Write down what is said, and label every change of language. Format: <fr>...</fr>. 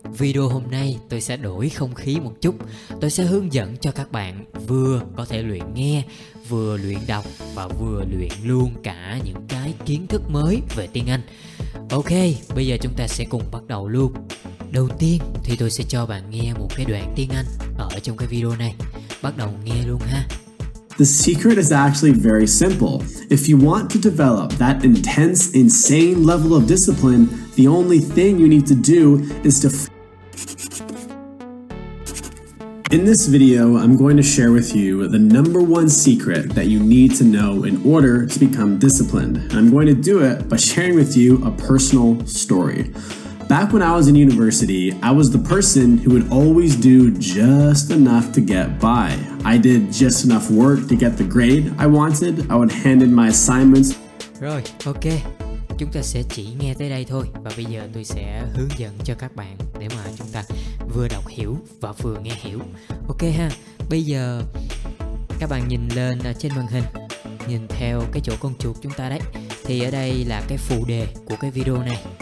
<vi>Video hôm nay tôi sẽ đổi không khí một chút. Tôi sẽ hướng dẫn cho các bạn vừa có thể luyện nghe, vừa luyện đọc và vừa luyện luôn cả những cái kiến thức mới về tiếng Anh. Ok, bây giờ chúng ta sẽ cùng bắt đầu luôn. Đầu tiên thì tôi sẽ cho bạn nghe một cái đoạn tiếng Anh ở trong cái video này. Bắt đầu nghe luôn ha.</vi> <en>The secret is actually very simple. If you want to develop that intense, insane level of discipline, the only thing you need to do is to... In this video, I'm going to share with you the number one secret that you need to know in order to become disciplined. And I'm going to do it by sharing with you a personal story. Back when I was in university, I was the person who would always do just enough to get by. I did just enough work to get the grade I wanted. I would hand in my assignments.</en> <vi>Rồi, ok. Chúng ta sẽ chỉ nghe tới đây thôi. Và bây giờ tôi sẽ hướng dẫn cho các bạn để mà chúng ta vừa đọc hiểu và vừa nghe hiểu. Ok ha. Bây giờ các bạn nhìn lên ở trên màn hình, nhìn theo cái chỗ con chuột chúng ta đấy, thì ở đây là cái phụ đề của cái video này.</vi>